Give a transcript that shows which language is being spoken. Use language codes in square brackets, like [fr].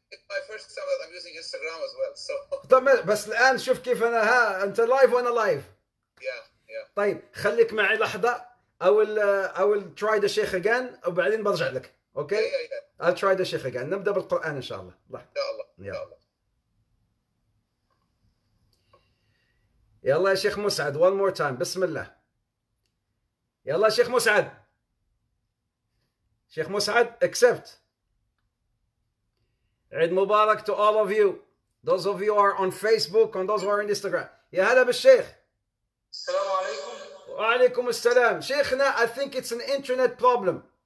[en] My first time that I'm using Instagram as well, so. [ar] طب بس الآن شوف كيف أنا ها أنت live وأنا live. [en] Yeah. [ar] طيب خليك معي لحظة. [en] I will try the Sheikh again. [ar] وبعدين برجع لك. [en] Okay I'll try the sheikh again. [ar] نبدأ بالقرآن إن شاء الله. يلا. يلا يا شيخ مسعد [en] one more time. [ar] بسم الله. يلا شيخ مسعد. شيخ مسعد accept. عيد مبارك [en] to all of you. Those of you who are on Facebook and those who are on Instagram. [ar] يا هلا بالشيخ. السلام عليكم. وعليكم السلام. [en] شيخنا I think it's an internet problem.